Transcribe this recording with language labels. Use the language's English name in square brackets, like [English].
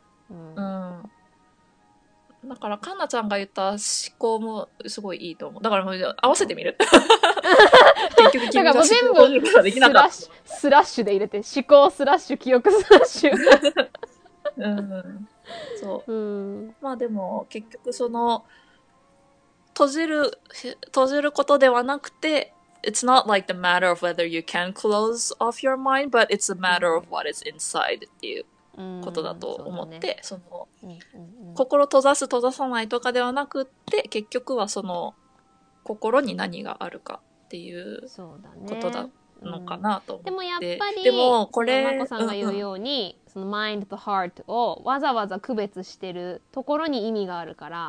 [Japanese] うんうん、だからカンナちゃんが言った思考もすごいいいと思う。だからもう合わせてみる結局君が思考できなかった。スラッシュで入れて、思考スラッシュ記憶スラッシュうん、そう、うん、まあでも結局その閉じることではなくて、 [English] It's not like the matter of whether you can close off your mind, but it's a matter of what is inside [Japanese] っていうことだと思って、うん、そうだね、その心閉ざす閉ざさないとかではなくって、結局はその心に何があるかっていうことだのかなと思って、うん、でもやっぱりでもこれまこさんが言うように、うんうん、そのマインドとハートをわざわざ区別してるところに意味があるから、